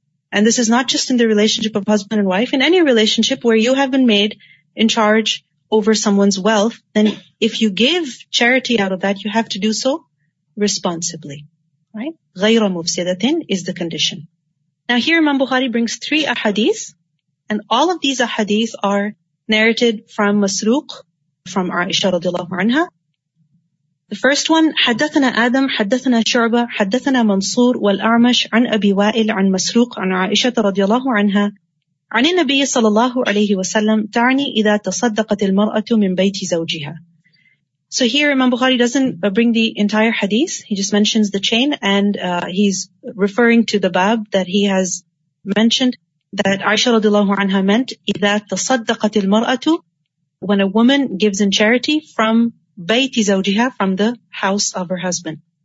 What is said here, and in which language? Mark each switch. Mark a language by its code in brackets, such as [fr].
[en] And this is not just in the relationship of husband and wife. In any relationship where you have been made in charge over someone's wealth, then if you give charity out of that, you have to do so responsibly, right? [ar] غير مفسدتين [en] is the condition. Now here Imam Bukhari brings three ahadith, and all of these ahadith are narrated from Masruq, from Aisha radiallahu anha. The first one, [ar] حدثنا آدم حدثنا شعبة حدثنا منصور والأعمش عن أبي وائل عن مسروق عن عائشة رضي الله عنها عن النبي صلى الله عليه وسلم تعني إذا تصدقت المرأة من بيت زوجها. [en] So here Imam Bukhari doesn't bring the entire hadith. He just mentions the chain, and he's referring to the bab that he has mentioned, that Aisha radiallahu anha meant, [ar] إذا تصدقت المرأة, [en] when a woman gives in charity from [ar] بيت زوجها, [en] from the house of her husband.